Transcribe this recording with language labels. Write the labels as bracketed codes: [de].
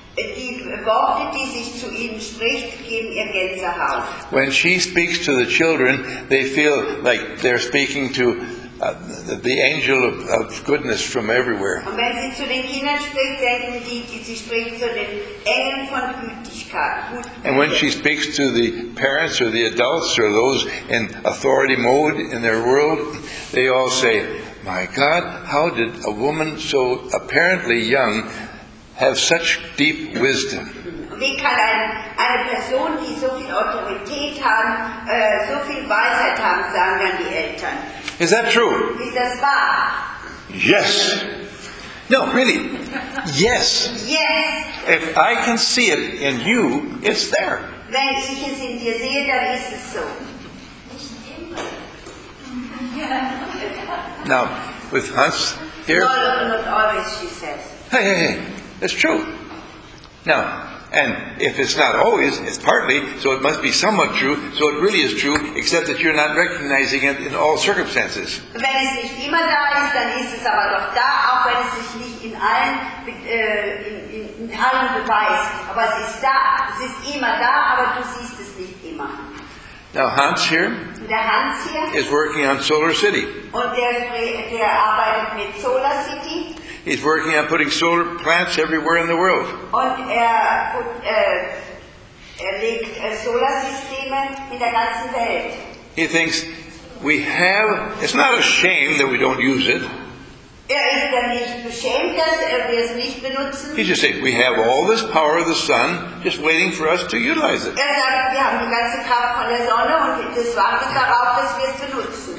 [de] Die Worte, die sich zu ihnen spricht, geben ihr Gänsehaut. [en] When she speaks to the children, they feel like they're speaking to the angel of goodness from everywhere. [de] Und wenn sie zu den Kindern spricht, denken sie spricht zu den Engeln von Gütigkeit. [en] And when she speaks to the parents or the adults or those in authority mode in their world, they all say, my God, how did a woman so apparently young have such deep wisdom. [de] Wie kann eine Person, die so viel Autorität haben, so viel Weisheit haben, sagen dann die Eltern? [en] Is that true? [de] Ist das wahr? [en] Yes. No, really. Yes. Yes. If I can see it in you, it's there. [de] Wenn ich es in dir sehe, dann ist es so. [en] Now, with Hans here. Not always, she says. Hey. It's true. Now, and if it's not always, it's partly, so it must be somewhat true, so it really is true, except that you're not recognizing it in all circumstances. [de] Wenn es nicht immer da ist, dann ist es aber doch da, auch wenn es sich nicht in allen beweist. Aber es ist da, es ist immer da, aber du siehst es nicht immer. [en] Now Hans here, [de] der Hans hier [en] is working on Solar City. [de] Und der arbeitet mit Solar City. [en] He's working on putting solar plants everywhere in the world. [de] Und er legt Solarsysteme in der ganzen Welt. [en] He thinks we have. It's not a shame that we don't use it. [de] Er ist dann nicht beschämt, dass wir es nicht benutzen. [en] He just said we have all this power of the sun just waiting for us to utilize it. [de] Er sagt, wir haben die ganze Kraft von der Sonne und es wartet darauf, dass wir es benutzen.